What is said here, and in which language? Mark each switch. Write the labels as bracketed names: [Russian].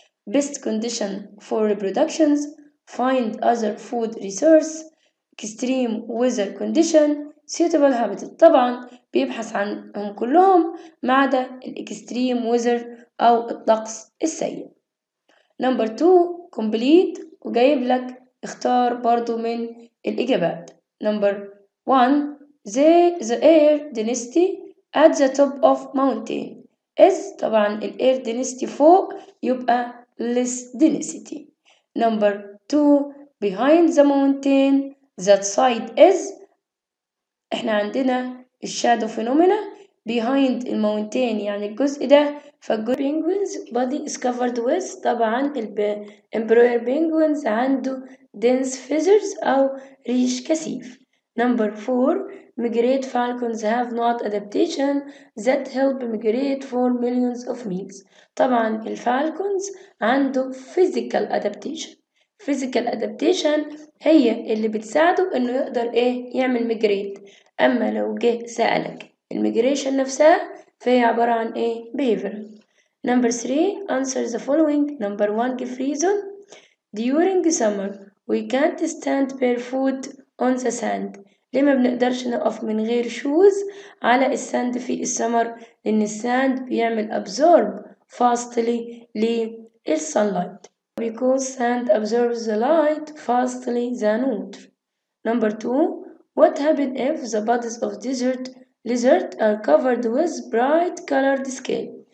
[English] Best condition for reproductions, find other food resource, extreme weather condition, suitable habitat. [Arabic] طبعا بيبحث عنهم كلهم ما عدا الإكستريم weather أو الطقس السيء. [English] Number 2 complete [Arabic] وجايب لك اختار برضو من الإجابات. [English] Number 1 the air density at the top of mountain is طبعا ال air density فوق يبقى less density. Number 2 behind the mountain that side is [Arabic] احنا عندنا الشادو فينومينا [English] behind المونتين يعني الجزء ده. فالجزء penguins body is covered with طبعا emperor penguins عنده dense feathers [Arabic] او ريش كثيف. [English] Number 4 migrate falcons have not adaptation that help migrate for millions of miles. [Arabic] طبعا الفالكونز عنده [English] physical adaptation. Physical adaptation [Arabic] هي اللي بتساعده انه يقدر ايه يعمل migrate. اما لو جه سألك المigration نفسها فهي عبارة عن ايه behavior. [English] Number 3 answer the following. Number 1 give reason. During summer we can't stand barefoot on the sand. [Arabic] ليه ما بنقدرش نقف من غير شوز على الساند في السمر؟ لان الساند بيعمل [English] absorb fastly [Arabic] للsunlight. [English] Because sand absorbs the light fastly than water. Number 2 what happen if the bodies of desert lizard are covered with bright colored scale.